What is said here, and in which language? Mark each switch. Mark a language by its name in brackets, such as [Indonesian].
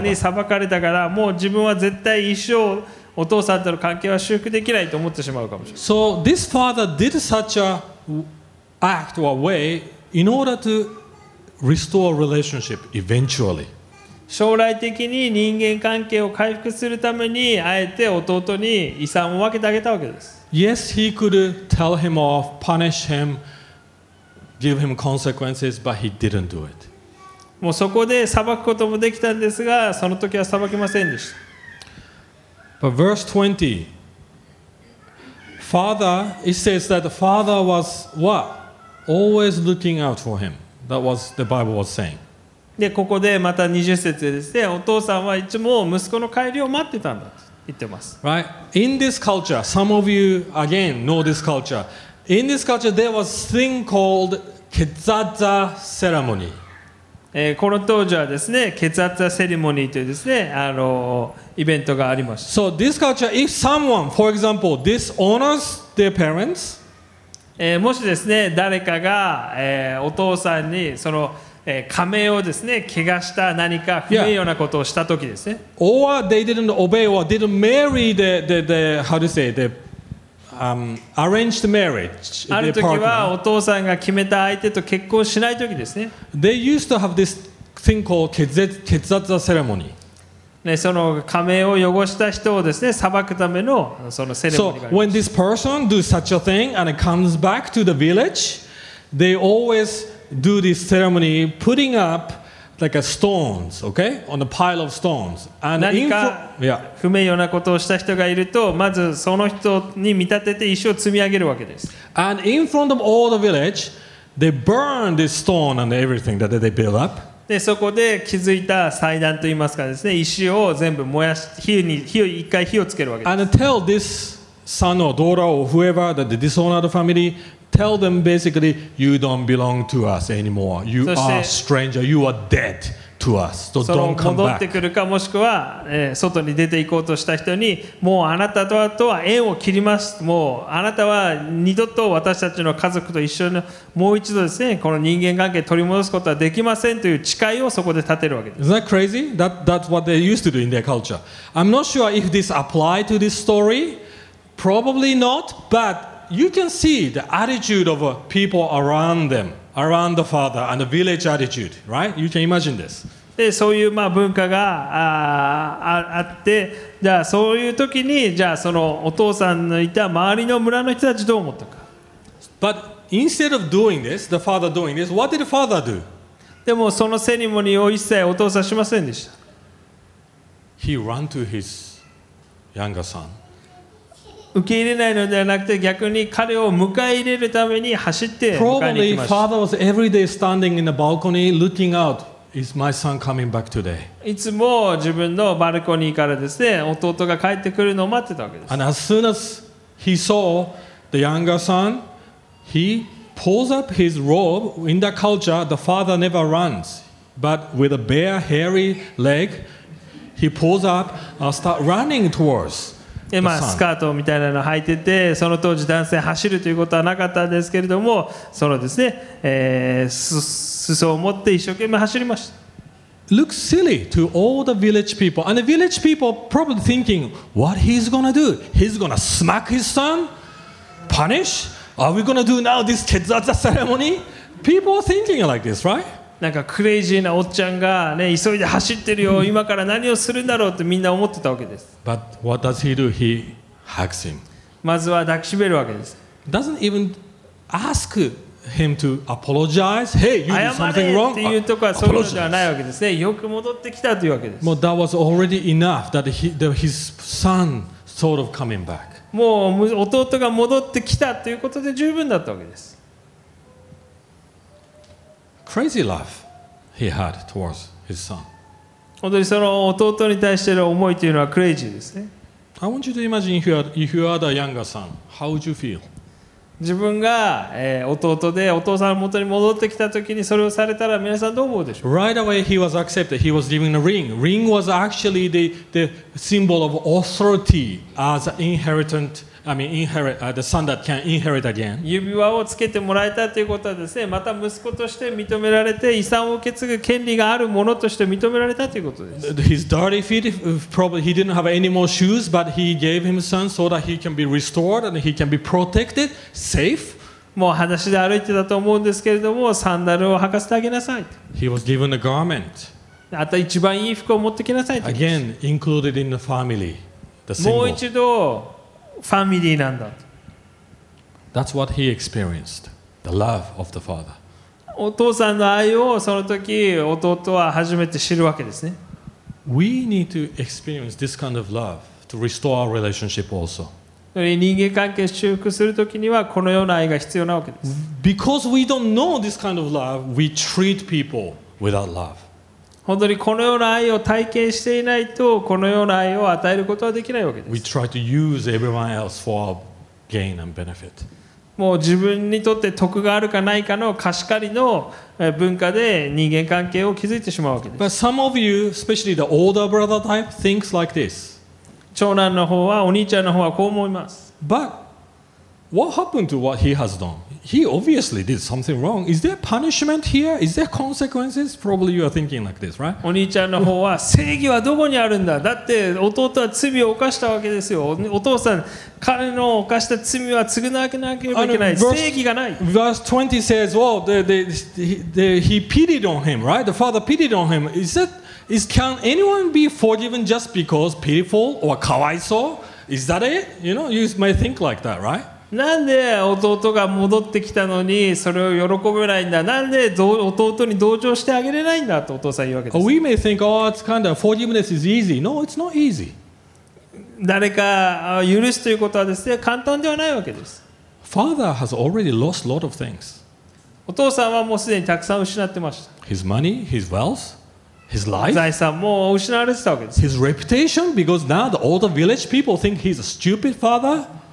[Japanese] お父さんに裁かれたからもう自分は絶対一生お父さんとの関係は修復できないと思ってしまうかもしれない。 [English] So this father did such aAct or way in order to restore relationship eventually. [Japanese] 将来的に人間関係を回復するためにあえて弟に遺産を分けてあげたわけです。 [English] Yes, he could tell him off, punish him, give him consequences, but he didn't do it. [Japanese] もうそこで裁くこともできたんですが、その時は裁けませんでした。 [English] But verse 20, Father, it says that the father was what? Always looking out for him. That was the Bible was saying. [Japanese] で、ここでまた20節ですね。お父さんはいつも息子の帰りを待ってたんだと言ってます。 [English] Right? In this culture, some of you again know this culture. In this culture, there was thing called Ketzatza ceremony. [Japanese] この当時はですね、Ketzatza ceremony というですね、イベントがありました。 [English] So this culture, if someone, for example, dishonors their parents, [Japanese] もしですね、誰かが、お父さんにその、仮名をですね、怪我した何か不名誉なことをした時ですね。 [English] Yeah. Or they didn't obey or didn't marry the how to say the arranged marriage. [Japanese] ある時はお父さんが決めた相手と結婚しない時ですね。 [English] They used to have this thing called Ketzatza ceremony. [Japanese] ね、その仮名を汚した人をですね、裁くためのそのセレモニーがあります。 [English] So when this person do such a thing and comes back to the village, they always do this ceremony, putting up like a stones, okay, on a pile of stones. [Japanese] And 何か不名誉なことをした人がいると、まずその人に見立てて石を積み上げるわけです。 [English] And in front of all the village, they burn this stone and everything that they build up. [Japanese] でそこで気づいた祭壇といいますかですね、石を全部燃やし一回火をつけるわけです。 [English] And tell this son or daughter or whoever that the dishonored family, tell them basically, you don't belong to us anymore. You are a stranger. You are dead. to us. So don't come back. [Japanese] 戻ってくるかもしくは、外に出て行こうとした人にもうあなたとは縁を切ります。もうあなたは二度と私たちの家族と一緒にもう一度ですねこの人間関係取り戻すことはできませんという誓いをそこで立てるわけです。 [English] Is that crazy? That's what they used to do in their culture. I'm not sure if this apply to this story. Probably not, but you can see the attitude of people around them. Around the father and the village attitude, right? You can imagine this. [Japanese] で、そういうまあ文化があって、じゃあそういう時に、じゃあそのお父さんのいた周りの村の人たちどう思ったか。 [English] But instead of doing this, the father doing this, what did the father do? [Japanese] でもそのセレモニーを一切お父さんしませんでした。 [English] He ran to his younger son. [Japanese] 受け入れないのではなくて逆に彼を迎え入れるために走って迎えに行きました。 [English] Probably father was every day standing in the balcony looking out. Is my son coming back today? [Japanese] いつも自分のバルコニーからですね弟が帰ってくるのを待ってたわけです。 [English] And as soon as he saw the younger son, he pulls up his robe. In that culture, the father never runs, but with a bare hairy leg, he pulls up and start running towards. [Japanese] でまあ、スカートみたいなのを履いてて、その当時男性走るということはなかったんですけれども、そのですね、裾を持って一生懸命走りました。 [English] Looks silly to all the village people. And the village people probably thinking, what he's gonna do? He's gonna smack his son? Punish? Are we gonna do now this Tetsuza ceremony? People are thinking like this, right? [Japanese] なんかクレイジーなおっちゃんが、ね、急いで走ってるよ今から何をするんだろうってみんな思ってたわけです。 [English] But what does he do? He hugs him. [Japanese] まずは抱きしめるわけです。 [English] Doesn't even ask him to apologize. Hey, you did something wrong. [Japanese] 謝れっていうとこはそういうのではないわけですね。よく戻ってきたというわけです。 [English] That was already enough that his son sort of coming back. [Japanese] もう弟が戻ってきたということで十分だったわけです。 [English] Crazy love he had towards his son. [Japanese] 本当にその弟に対しての思いというのはクレイジーですね。 [English] I want you to imagine if you are the younger son, how would you feel? [Japanese] 自分が弟でお父さんの元に戻ってきた時にそれをされたら皆さんどう思うでしょう? [English] Right away he was accepted. He was given a ring. Ring was actually the symbol of authority as an inheritance. The son that can inherit again. [Japanese] 指輪をつけてもらえたということはですね、また息子として認められて遺産を受け継ぐ権利があるものとして認められたということです。 [English] His dirty feet, probably he didn't have any more shoes, but he gave him son so that he can be restored and he can be protected, safe. [Japanese] もう裸足で歩いてたと思うんですけれども、サンダルを履かせてあげなさい。 [English] He was given a garment. [Japanese] あと一番いい服を持ってきなさい。 [English] Again, included in the family, the symbol. [Japanese] もう一度。ファミリーなんだと。 [English] That's what he experienced, the love of the father. [Japanese] お父さんの愛をその時弟は初めて知るわけですね。 [English] We need to experience this kind of love to restore our relationship also. [Japanese] 人間関係修復する時にはこのような愛が必要なわけです。 [English] Because we don't know this kind of love, we treat people without love. [Japanese] 本当にこのような愛を体験していないとこのような愛を与えることはできないわけです。 [English] We try to use everyone else for our gain and benefit. [Japanese] もう自分にとって得があるかないかの貸し借りの文化で人間関係を築いてしまうわけです。 [English] But some of you, especially the older brother type, thinks like this. [Japanese] 長男の方はお兄ちゃんの方はこう思います。 [English] But what happened to what he has done? He obviously did something wrong. Is there punishment here? Is there consequences? Probably you are thinking like this, right? [Japanese] お兄ちゃんの方は正義はどこにあるんだ。だって弟は罪を犯したわけですよ。お父さん、彼の犯した罪は償わなければいけない。正義がない。 [English] Verse 20 says, well, he pitied on him, right? The father pitied on him. Can anyone be forgiven just because pitiful or かわいそう?Is that it? You know, you may think like that, right? [Japanese] なんで弟が戻ってきたのにそれを喜べないんだ。なんで弟に同情してあげれないんだとお父さん言うわけです。 [English] We may think, oh, it's kind of forgiveness is easy. No, it's not easy. [Japanese] 誰か許すということはですね、簡単ではないわけです。 [English] Father has already lost a lot of things. [Japanese] お父さんはもうすでにたくさん失ってました。 [English] His money, his wealth, his life. [Japanese] 財産も失われてたわけです。 [English] His reputation, because now the older village people think he's a stupid father.